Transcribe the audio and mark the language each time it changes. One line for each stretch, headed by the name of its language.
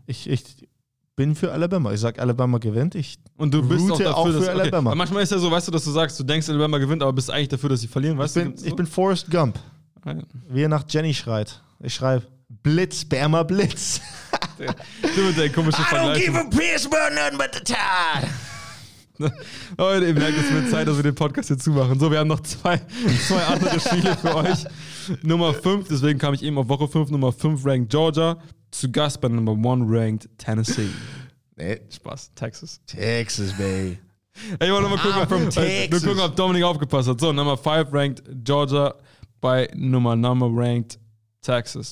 German: Ich bin für Alabama. Ich sag, Alabama gewinnt. Ich und du bist route auch dafür, für dass, Alabama. Okay. Manchmal ist ja so, weißt du, dass du sagst, du denkst, Alabama gewinnt, aber bist eigentlich dafür, dass sie verlieren, weißt ich du? Bin, ich bin Forrest Gump. Nein. Wie er nach Jenny schreit. Ich schreibe Blitz, Bama Blitz. Du mit deinem komischen Vergleich.
English: I don't give a piss about nothing but the time.
German: Leute, ihr merkt, es wird Zeit, dass wir den Podcast hier zumachen. So, wir haben noch zwei andere Spiele für euch. Nummer 5, deswegen kam ich eben auf Woche 5, Nummer 5 ranked Georgia, zu Gast bei Nummer 1 ranked Tennessee. Nee. Spaß, Texas. Texas, Bay. Ey, ich wollte nochmal gucken, ob Dominik aufgepasst hat. So, Nummer 5 ranked Georgia bei Nummer ranked Texas.